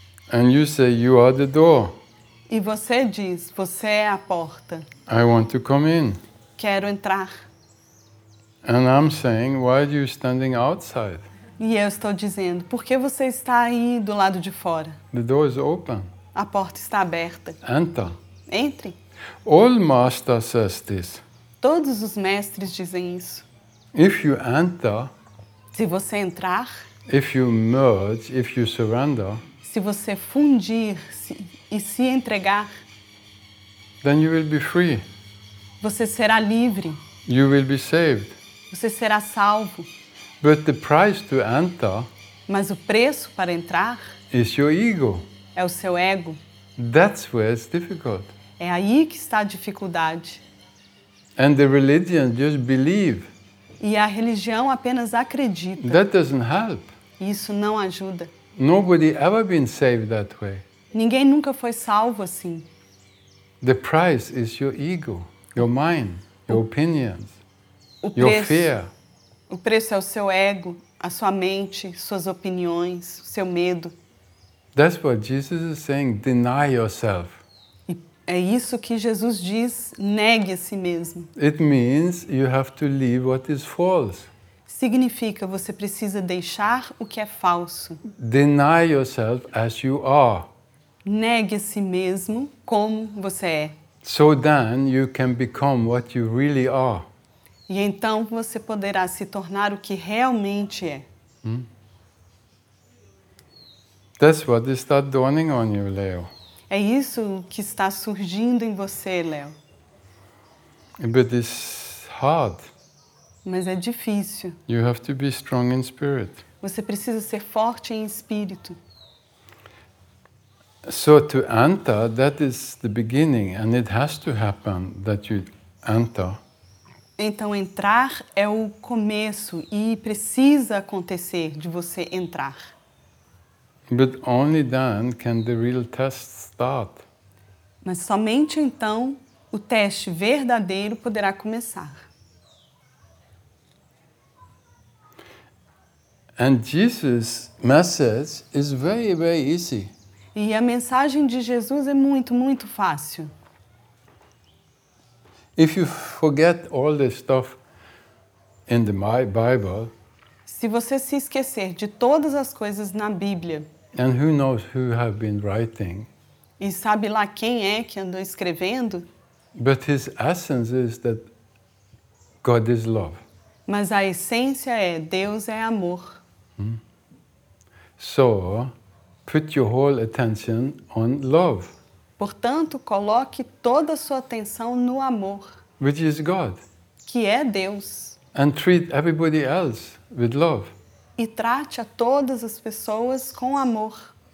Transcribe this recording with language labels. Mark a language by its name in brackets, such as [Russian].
[English] And you say, you are the door. [Portuguese] E você diz, você é a porta. [English] I want to come in. [Portuguese] Quero entrar. [English] And I'm saying, why are you standing outside? [Portuguese] E eu estou dizendo, por que você está aí do lado de fora? [English] The door is open. [Portuguese] A porta está aberta. [English] Enter. [Portuguese] Entre. [English] All masters says this. [Portuguese] Todos os mestres dizem isso. [English] If you enter, [Portuguese] se você entrar, [English] if you merge, if you surrender, [Portuguese] se você fundir e se entregar, [English] then you will be free. [Portuguese] Você será livre. [English] You will be saved. [Portuguese] Você será salvo. [English] But the price to enter, [Portuguese] mas o preço para entrar, [English] is your ego. [Portuguese] É o seu ego. [English] That's where it's difficult. [Portuguese] É aí que está a dificuldade. [English] And the religion just believe. [Portuguese] E a religião apenas acredita. [English] That doesn't help. [Portuguese] Isso não ajuda. [English] Nobody ever been saved that way. [Portuguese] Ninguém nunca foi salvo assim. [English] The price is your ego, your mind, your opinions, [Portuguese] preço, [English] your fear. [Portuguese] O preço é o seu ego, a sua mente, suas opiniões, seu medo. [English] That's what Jesus is saying, deny yourself. [Portuguese] É isso que Jesus diz, negue a si mesmo. [English] It means you have to leave what is false. [Portuguese] Significa você precisa deixar o que é falso. [English] Deny yourself as you are. [Portuguese] Negue a si mesmo como você é. [English] So then you can become what you really are. [Portuguese] E então você poderá se tornar o que realmente é. [English] That's what is start dawning on you, Leo. [Portuguese] É isso que está surgindo em você, Leo. [English] But it's hard. [Portuguese] Mas é difícil. [English] You have to be strong in spirit. [Portuguese] Você precisa ser forte em espírito. [English] So to enter, that is the beginning, and it has to happen that you enter. [Portuguese] Então entrar é o começo e precisa acontecer de você entrar. [English] But only then can the real test start. [Portuguese] Mas somente então o teste verdadeiro poderá começar. [English] And Jesus' message is very, very easy. [Portuguese] E a mensagem de Jesus é muito, muito fácil. [English] If you forget all the stuff in the Bible, [Portuguese] se você se esquecer de todas as coisas na Bíblia, [English] and who knows who have been writing, [Portuguese] e sabe lá quem é que andou escrevendo? [English] But his essence is that God is love. [Portuguese] Mas a essência é Deus é amor. [English] So, put your whole attention on love. [Portuguese] Portanto, coloque toda a sua atenção no amor. [English] Which is God. [Portuguese] Que é Deus. [English] And treat everybody else with love. [Portuguese] E trate a todas as pessoas com amor.